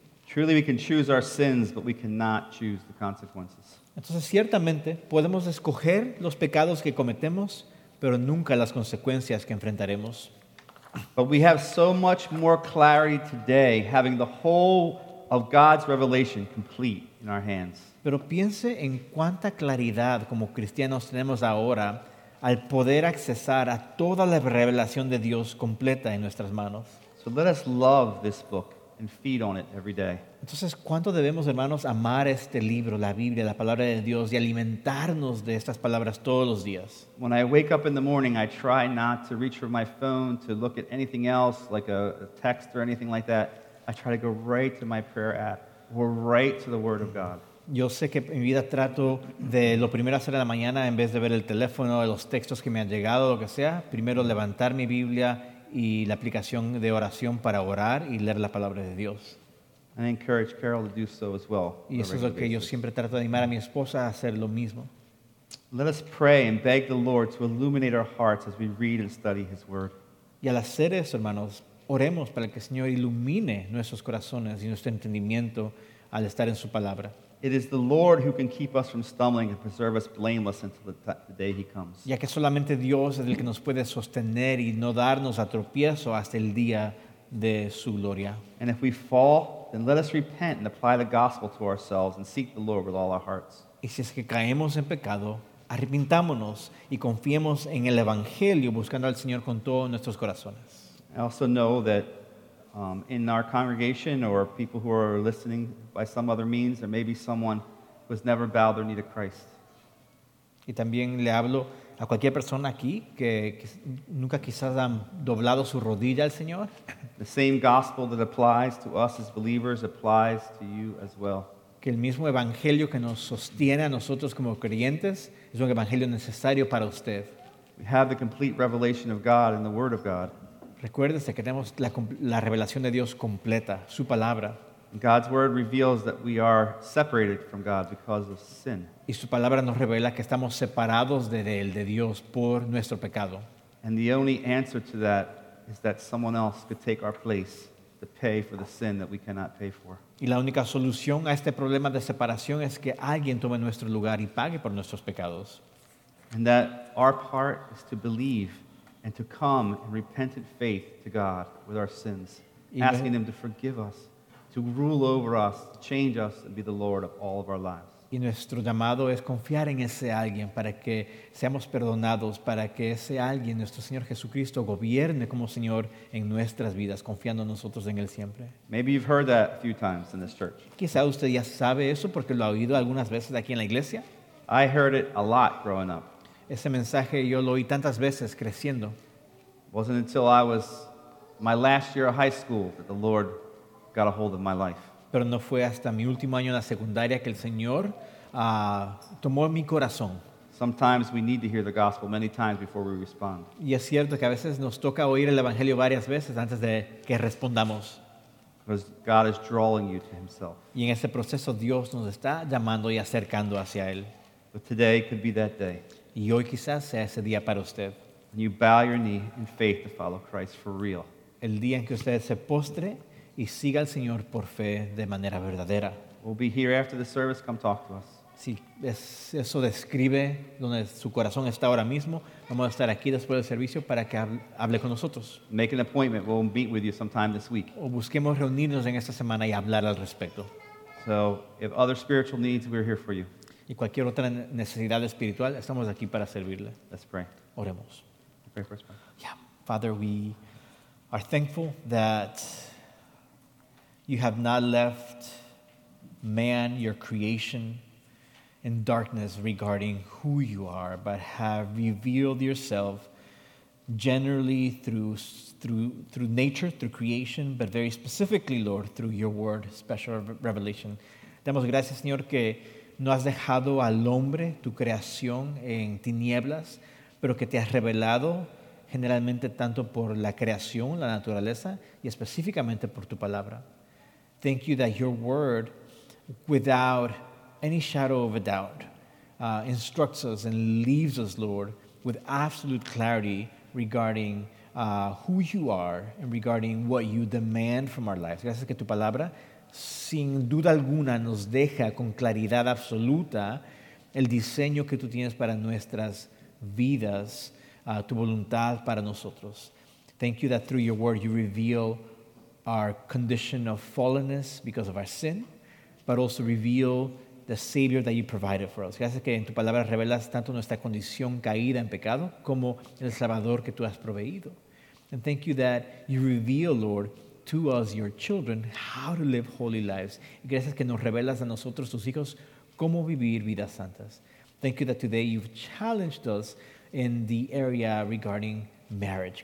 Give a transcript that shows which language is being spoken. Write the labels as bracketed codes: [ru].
[en] Truly we can choose our sins, but we cannot choose the consequences. [es] Entonces ciertamente podemos escoger los pecados que cometemos, pero nunca las consecuencias que enfrentaremos. [en] But we have so much more clarity today, having the whole of God's revelation complete in our hands. [es] Pero piense en cuánta claridad como cristianos tenemos ahora al poder accesar a toda la revelación de Dios completa en nuestras manos. [en] So let us love this book and feed on it every day. [es] Entonces, ¿cuánto debemos, hermanos, amar este libro, la Biblia, la palabra de Dios, y alimentarnos de estas palabras todos los días? [en] When I wake up in the morning, I try not to reach for my phone to look at anything else, like a text or anything like that. I try to go right to my prayer app or right to the Word of God. [es] Yo sé que en mi vida trato de lo primero hacer en la mañana, en vez de ver el teléfono, los textos que me han llegado, lo que sea, primero levantar mi Biblia y la aplicación de oración para orar y leer la palabra de Dios. [en] I encourage Carol to do so as well. [es] Y eso es lo que yo siempre trato de animar a mi esposa a hacer lo mismo. [en] Let us pray and beg the Lord to illuminate our hearts as we read and study His Word. [es] Y al hacer eso, hermanos, oremos para que el Señor ilumine nuestros corazones y nuestro entendimiento al estar en su palabra. [en] It is the Lord who can keep us from stumbling and preserve us blameless until the day He comes. [es] Ya que solamente Dios es el que nos puede sostener y no darnos a tropiezo hasta el día de su gloria. [en] And if we fall, then let us repent and apply the gospel to ourselves and seek the Lord with all our hearts. [es] Y si es que caemos en pecado, arrepintámonos y confiemos en el evangelio buscando al Señor con todos nuestros corazones. [en] I also know that in our congregation or people who are listening by some other means, there may be someone who has never bowed their knee to Christ. [es] Y también le hablo a cualquier persona aquí que nunca quizás han doblado su rodilla al Señor. [en] The same gospel that applies to us as believers applies to you as well. [es] Que el mismo evangelio que nos sostiene a nosotros como creyentes es un evangelio necesario para usted. [en] We have the complete revelation of God in the Word of God. [es] Recuérdese que tenemos la revelación de Dios completa, su palabra. [en] God's word reveals that we are separated from God because of sin. [es] Y su palabra nos revela que estamos separados de él, de Dios, por nuestro pecado. [en] And the only answer to that is that someone else could take our place to pay for the sin that we cannot pay for. [es] Y la única solución a este problema de separación es que alguien tome nuestro lugar y pague por nuestros pecados. [en] And that our part is to believe and to come in repentant faith to God with our sins, asking him to forgive us, to rule over us, to change us, and be the Lord of all of our lives. [es] Y nuestro llamado es confiar en ese alguien para que seamos perdonados, para que ese alguien, nuestro Señor Jesucristo, gobierne como Señor en nuestras vidas, confiando nosotros en Él siempre. [en] Maybe you've heard that a few times in this church. [es] Quizá usted ya sabe eso porque lo ha oído algunas veces aquí en la iglesia. [en] I heard it a lot growing up. [es] Ese mensaje yo lo oí tantas veces creciendo. [en] It wasn't until I was my last year of high school that the Lord got a hold of my life. [es] Pero no fue hasta mi último año en la secundaria que el Señor tomó mi corazón. [en] Sometimes we need to hear the gospel many times before we respond. [es] Y es cierto que a veces nos toca oír el evangelio varias veces antes de que respondamos. [en] Because God is drawing you to himself. [es] Y en ese proceso Dios nos está llamando y acercando hacia él. [en] But today could be that day. [es] Y hoy quizás sea ese día para usted. [en] And you bow your knee in faith to follow Christ for real. [es] El día en que usted se postre y siga al Señor por fe de manera verdadera. [en] We'll be here after the service. Come talk to us. [es] Sí, eso describe donde su corazón está ahora mismo. Vamos a estar aquí después del servicio para que hable con nosotros. [en] Make an appointment. We'll meet with you sometime this week. [es] O busquemos reunirnos en esta semana y hablar al respecto. [en] So, if other spiritual needs, we're here for you. [es] Y cualquier otra necesidad espiritual, estamos aquí para servirle. [en] Let's pray. [es] Oremos. [en] Pray first, yeah. Father, we are thankful that you have not left man, your creation, in darkness regarding who you are, but have revealed yourself generally through nature, through creation, but very specifically, Lord, through your word, special revelation. [es] Damos gracias, Señor, que no has dejado al hombre, tu creación, en tinieblas, pero que te has revelado generalmente tanto por la creación, la naturaleza, y específicamente por tu palabra. [en] Thank you that your word, without any shadow of a doubt, instructs us and leaves us, Lord, with absolute clarity regarding who you are and regarding what you demand from our lives. [es] Gracias que tu palabra, sin duda alguna, nos deja con claridad absoluta el diseño que tú tienes para nuestras vidas, tu voluntad para nosotros. [en] Thank you that through your word you reveal our condition of fallenness because of our sin, but also reveal the Savior that you provided for us. [es] Gracias que en tu palabra revelas tanto nuestra condición caída en pecado como el Salvador que tú has proveído. [en] And thank you that you reveal, Lord, to us, your children, how to live holy lives. [es] Gracias que nos revelas a nosotros, tus hijos, cómo vivir vidas santas. [en] Thank you that today you've challenged us in the area regarding marriage.